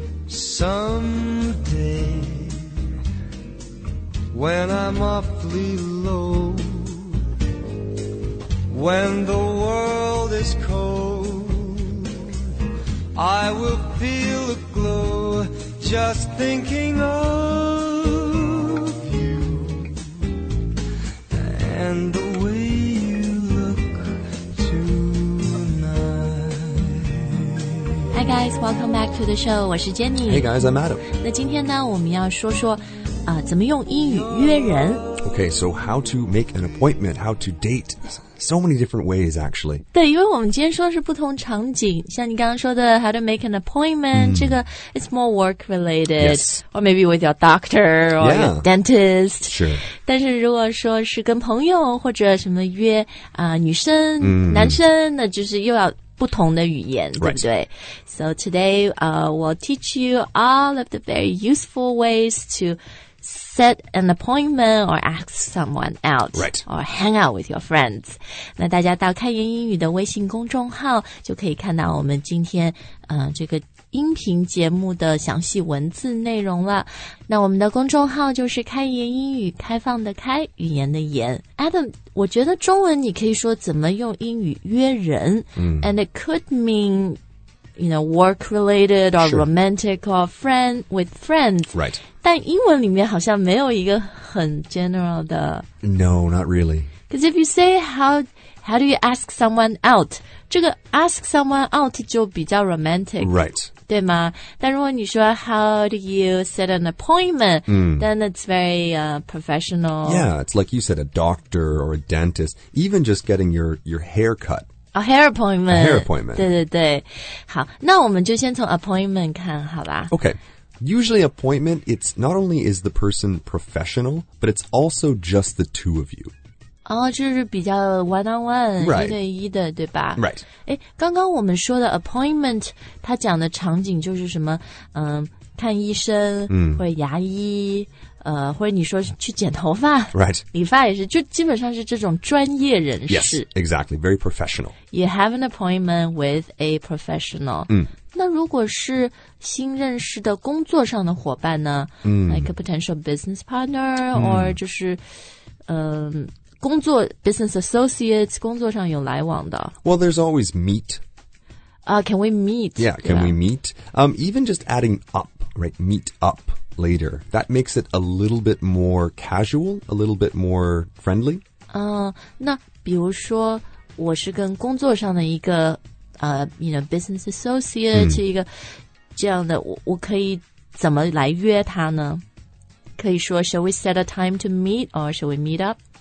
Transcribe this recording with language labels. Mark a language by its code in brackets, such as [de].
[en] Someday, when I'm awfully low, when the world is cold, I will feel a glow just thinking of you and the way you look tonight. Hi guys, welcome back to the show. [zh] 我是 Jenny. [en] Hey guys, I'm Adam. [zh] 那今天呢，我们要说说啊，怎么用英语约人。 [en] Okay, so how to make an appointment, how to date. So many different ways, actually. [zh] 对，因为我们今天说是不同场景，像你刚刚说的 [en] how to make an appointment,、 [zh] 这个 [en] it's more work related. Yes. Or maybe with your doctor or、 yeah. your dentist. Sure. [zh] 但是如果说是跟朋友或者什么约、女生、男生，那就是又要不同的语言、 [en] right. [zh] 对不对 [en] So today,、we'll teach you all of the very useful ways to set an appointment or ask someone out、 right. or hang out with your friends. [zh] 那大家到开言英语的微信公众号就可以看到我们今天、这个音频节目的详细文字内容了。那我们的公众号就是开言英语，开放的开，语言的言。 [en] Adam, [zh] 我觉得中文你可以说怎么用英语约人、 [en] and it could mean, you know, work related or、 sure. romantic or friend with friends. Right. [zh] 但英文里面好像没有一个很 general 的 [en] No, not really. Because if you say how do you ask someone out, [zh] 这个 [en] ask someone out [zh] 就比较 [en] romantic. Right. [zh] 对吗？但如果你说 [en] how do you set an appointment,、then it's very、professional. Yeah, it's like you said, a doctor or a dentist, even just getting your hair cut. A hair appointment. A hair appointment. [zh] 对对对。好，那我们就先从 appointment 看好吧。 [en] Okay. Usually appointment, it's not only is the person professional, but it's also just the two of you. [zh] 哦、oh, 就是比较 one-on-one, [en] right. [zh] 一对一的对吧 [en] Right. [zh] 诶刚刚我们说的 appointment, 他讲的场景就是什么、看医生、或者牙医、或者你说去剪头发 [en] Right. [zh] 理发也是就基本上是这种专业人士 [en] Yes, exactly, very professional. You have an appointment with a professional. [zh] 那如果是新认识的工作上的伙伴呢、 [en] like a potential business partner、 [zh] or 就是、工作 [en] business associates [zh] 工作上有来往的 [en] Well, there's always meet、 Can we meet? Yeah, can we meet?、even just adding up, right? Meet up later. That makes it a little bit more casual, a little bit more friendly、 [zh] 那比如说我是跟工作上的一个 [en] you know, business associate,、 [zh] 一个这样的 我可以怎么来约他呢可以说 [en] shall we set a time to meet or shall we meet up?